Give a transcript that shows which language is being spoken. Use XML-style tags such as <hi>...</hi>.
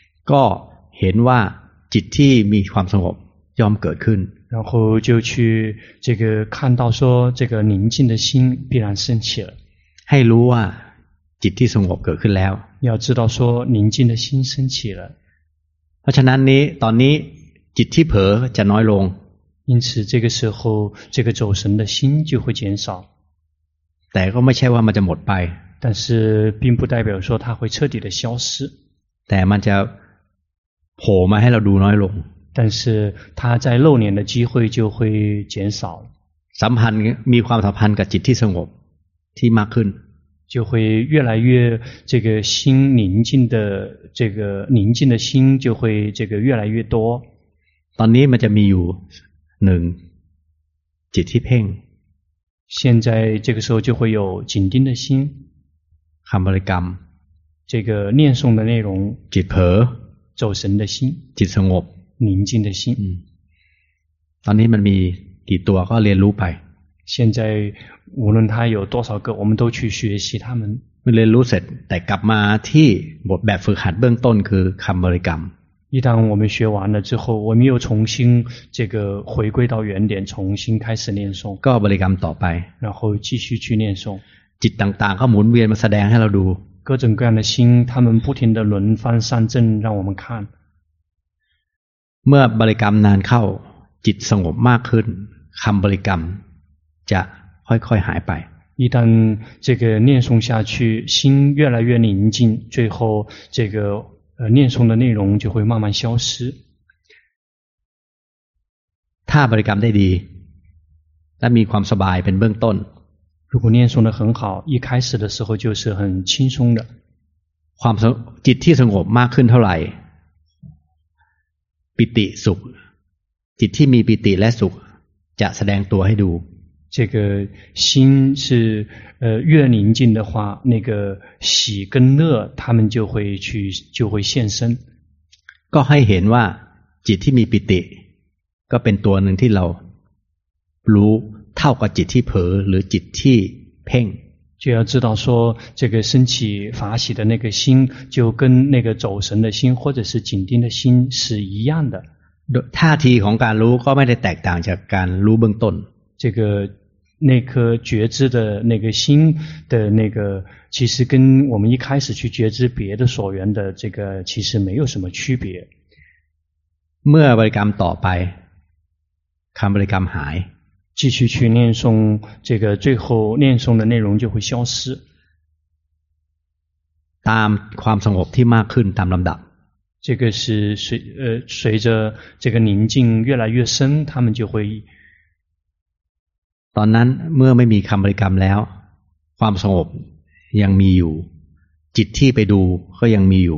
<th>ก็เห็นว่าจิตที่มีความสงบย่อมเกิดขึ้น</th> <zh>然后就去这个看到说这个宁静的心必然升起了</zh> <th>ให้รู้ว่าจิตที่สงบเกิดขึ้นแล้ว</th> <zh>要知道说宁静的心升起了</zh> <th>เพราะฉะนั้นนี้ตอนนี้จิตที่เผลอจะน้อยลง</th> <zh>因此这个时候这个走神的心就会减少</zh> <th>แต่ก็ไม่ใช่ว่ามันจะหมดไป</th> <zh>但是并不代表说它会彻底的消失</zh> <th>แต่มันจะโผล่มาให้เราดูน้อยลง</th> <zh>但是它在露脸的机会就会减少</zh> <th>สัมพันธ์มีความสัมพันธ์กับจิตที่สงบที่มากขึ้น</th> <zh>就会越来越这个心宁静的这个宁静的心就会这个越来越多</zh> <th>ตอนนี้มันจะมีอยู่หนึ่งจิตที่เพ่ง</th> <zh>现在这个时候就会有紧盯的心</zh> <th>คำบริกรรม</th> <zh>这个念诵的内容</zh> <th>จิตเผลอ</th> <zh>走神的心</zh> <th>จิตสงบ</th> <zh>宁静的心</zh> <th>ตอนนี้มันมีกี่ตัวก็เรียนรู้ไป</th> <zh>现在无论他有多少个我们都去学习他们</zh> <th>เรียนรู้เสร็จแต่กลับมาที่บทแบบฝึกหัดเบื้องต้นคือคำบริกรรม</th> <zh>一旦我们学完了之后我们又重新这个回归到原点重新开始念诵</zh> <th>ก็บริกรรมต่อไป</th> <zh>然后继续去念诵</zh> <th>จิตต่างๆเขาหมุนเวียนมาแสดงให้เราดู</th> <zh>各种各样的心他们不停的轮番上阵让我们看</zh> <th>เมื่อบริกรรมนานเข้าจิตสงบมากขึ้นคำบริกรรมจะค่อยๆหายไป</th> <zh>一旦这个念诵下去心越来越宁静最后这个念诵的内容就会慢慢消失</zh> <th>ถ้าบริกรรมได้ดีและมีความสบายเป็นเบื้องต้น</th> <zh>如果念诵得很好一开始的时候就是很轻松的</zh> <th>ความจิตที่สงบมากขึ้นเท่าไหร่ปิติสุขจิตที่มีปิติและสุขจะแสดงตัวให้ดู</th> <zh>这个心是越宁静的话那个喜跟乐他们就会去就会现身</zh> <th>ก็ให้เห็นว่าจิตที่มีปิติก็เป็นตัวหนึ่งที่เรารู้ เท่ากับจิตที่เผลอหรือจิตที่เพ่ง</th> <zh>就要知道说这个升起法喜的那个心就跟那个走神的心或者是紧盯的心是一样的</zh> <th>ท่าทีของการรู้ก็ไม่ได้แตกต่างจากการรู้เบื้องต้น</th> <zh>这个那颗觉知的那个心的那个其实跟我们一开始去觉知别的所缘的这个其实没有什么区别</zh> <th>เมื่อบริกรรมต่อไปคำบริกรรมหาย</th> <zh>继续去念诵这个最后念诵的内容就会消失</zh> <th>ตามความสงบที่มากขึ้นตามลำดับ</th> <zh>这个是随着这个宁静越来越深他们就会</zh> <th>ตอนนั้นเมื่อไม่มีคำบริกรรมแล้วความสงบยังมีอยู่จิตที่ไปดูก็ยังมีอยู</th>